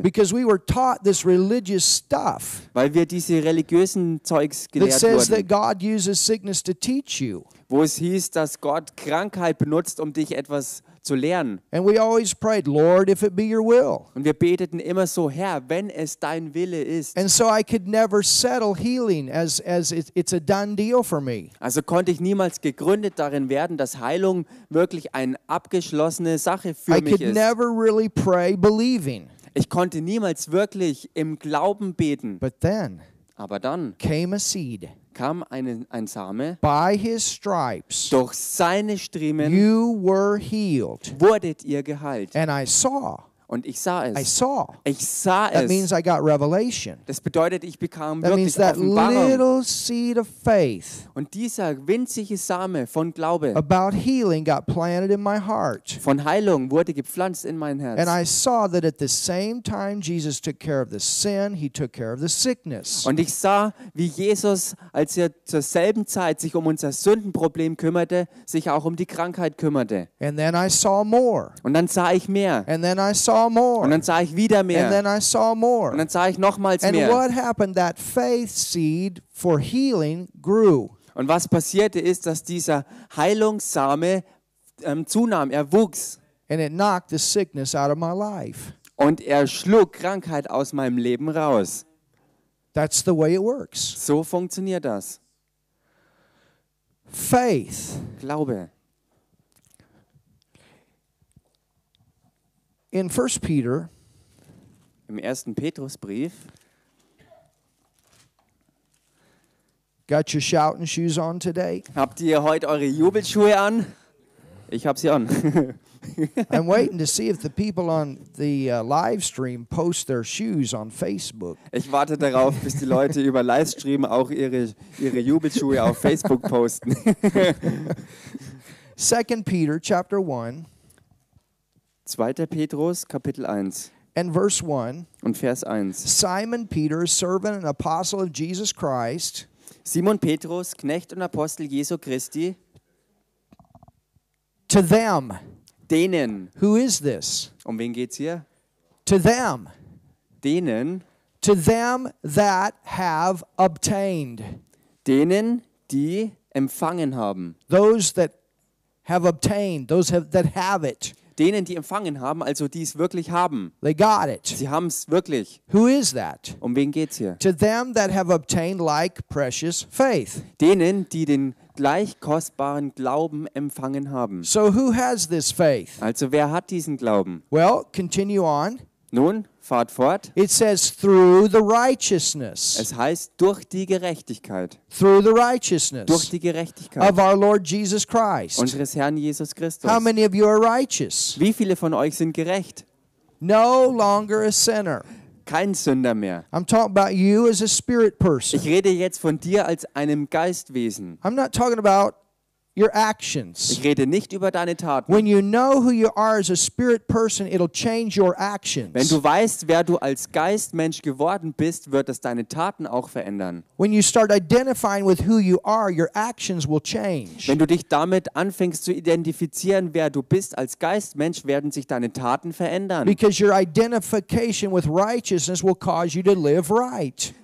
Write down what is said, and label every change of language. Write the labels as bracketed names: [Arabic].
[English] Because we were taught this religious stuff. [German] Weil wir diese religiösen Zeugs gelehrt wurden. [English] That says that God uses sickness to teach you. [German] Wo es hieß, dass Gott Krankheit benutzt, um dich etwas zu lernen. [English] And we always prayed, Lord, if it be your will. [German] Und wir beteten immer so, Herr, wenn es dein Wille ist. [English] And so I could never settle healing as it's a done deal for me. [German] Also konnte ich niemals gegründet darin werden, dass Heilung wirklich eine abgeschlossene Sache für mich ist. [English] I could never really pray believing. [German] Ich konnte niemals wirklich im Glauben beten. [English] But then, [German] aber dann [English] came a seed. [German] Kam ein Same. [English] By his stripes, [German] durch seine Striemen, [English] you were healed. [German] Wurdet ihr geheilt. [English] And I saw. [German] Und ich sah es. [English] I saw. [German] Ich sah [English] that [German] es. [English] That means I got revelation. [German] Das bedeutet, ich bekam [English] that [German] wirklich [English] means that [German] Offenbarung. [English] Little seed of faith. [German] Und dieser winzige Same von Glaube. [English] About healing got planted in my heart. [German] Von Heilung wurde gepflanzt in mein Herz. [English] And I saw that at the same time Jesus took care of the sin, he took care of the sickness. [German] Und ich sah, wie Jesus, als er zur selben Zeit sich um unser Sündenproblem kümmerte, sich auch um die Krankheit kümmerte. [English] And then I saw more. [German] Und dann sah ich mehr. [English] And then I saw more. [German] Und dann sah ich wieder mehr. [English] And then I saw more. [German] Und dann sah ich nochmals [English] and [German] mehr. [English] And what happened? That faith seed for healing grew. [German] Und was passierte ist, dass dieser Heilungssame zunahm, er wuchs. [English] And it knocked the sickness out of my life. [German] Und er schlug Krankheit aus meinem Leben raus. [English] That's the way it works. [German] So funktioniert das. [English] Faith. [German] Glaube. [English] In 1. Peter, [German] im 1. Petrusbrief, [English] got your shouting shoes on today? [German] Habt ihr heute eure Jubelschuhe an? Ich hab sie an. [English] I'm waiting to see if the people on the live stream post their shoes on Facebook. [German] Ich warte darauf, bis die Leute über Livestream auch ihre Jubelschuhe auf Facebook posten. [English] 2. Peter, chapter 1. [German] 2. Petrus, Kapitel 1. [English] And verse 1. [German] Und Vers 1. [English] Simon Peter, servant and apostle of Jesus Christ. [German] Simon Petrus, Knecht und Apostel Jesu Christi. [English] To them. [German] Denen. [English] Who is this? [German] Um wen geht's hier? [English] To them. [German] Denen. [English] To them that have obtained. [German] Denen, die empfangen haben. [English] Those that have obtained. Those that have it. [German] Denen, die empfangen haben, also die es wirklich haben. [English] They got it. [German] Sie haben es wirklich. [English] Who is that? [German] Um wen geht's hier? [English] To them that have obtained like precious faith. [German] Denen, die den gleich kostbaren Glauben empfangen haben. [English] So who has this faith? [German] Also wer hat diesen Glauben? [English] Well, continue on. [German] Nun, fahrt fort. [English] It says through the righteousness. [German] Es heißt durch die Gerechtigkeit. [English] Through the righteousness. [German] Durch die Gerechtigkeit. [English] Of our Lord Jesus Christ. [German] Unseres Herrn Jesus Christus. [English] How many of you are righteous? [German] Wie viele von euch sind gerecht? [English] No longer a sinner. [German] Kein Sünder mehr. [English] I'm talking about you as a spirit person. [German] Ich rede jetzt von dir als einem Geistwesen. [English] I'm not talking about your actions. [German] Ich rede nicht über deine Taten. [English] When you know who you are as a spirit person, it'll change your actions. [German] Wenn du weißt, wer du als Geistmensch geworden bist, wird es deine Taten auch verändern. [English] When you start identifying with who you are, your actions will change. [German] Wenn du dich damit anfängst zu identifizieren, wer du bist als Geistmensch, werden sich deine Taten verändern. [English] Because your identification with righteousness will cause you to live right.